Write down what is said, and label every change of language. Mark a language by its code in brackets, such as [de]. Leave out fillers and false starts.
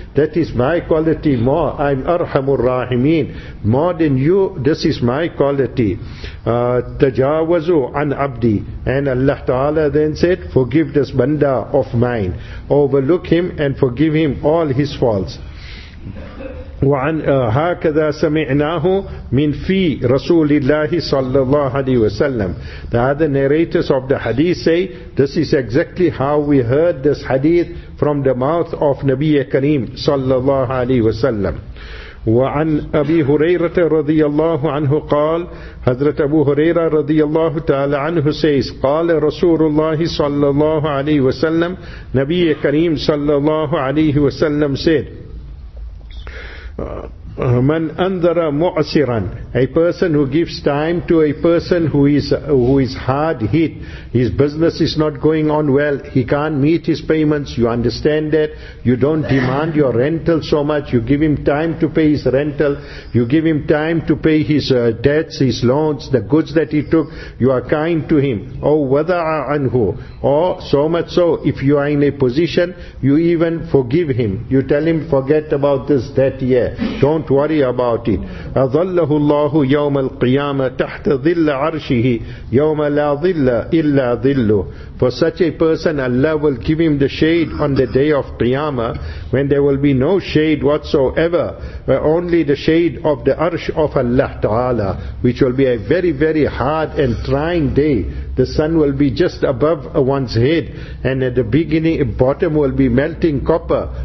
[en] That is my quality more. I'm [ar] أرحم الراحمين, [en] more than you. This is my quality. [ar] تجاوزوا عن عبدي, [en] and Allah Ta'ala then said, forgive this banda of mine, overlook him and forgive him all his faults. [ar] وعن هكذا سمعناه من في رسول الله صلى الله عليه وسلم. [en] The other narrators of the hadith say, this is exactly how we heard this hadith from the mouth of Nabi Kareem [ar] صلى الله عليه وسلم. وعن أبي هريرة رضي الله عنه قال, حضرت أبو هريرة رضي الله تعالى عنه [en] says, [ar] قال رسول الله صلى الله عليه وسلم, نبي كريم صلى الله عليه وسلم [en] said, [ar] من أنذر معسرا, [en] a person who gives time to a person who is hard hit, his business is not going on well, he can't meet his payments, you understand that, you don't demand your rental so much, you give him time to pay his rental, you give him time to pay his debts, his loans, the goods that he took, you are kind to him. Oh, wada'a anhu, or so much so, if you are in a position, you even forgive him, you tell him, forget about this debt, yeah, don't worry about it. [ar] أظله الله يوم القيامة تحت ظل عرشه يوم لا ظل إلا ظله. [en] For such a person, Allah will give him the shade on the day of Qiyamah, when there will be no shade whatsoever, but only the shade of the Arsh of Allah Ta'ala, which will be a very, very hard and trying day. The sun will be just above one's head, and at the beginning, bottom will be melting copper.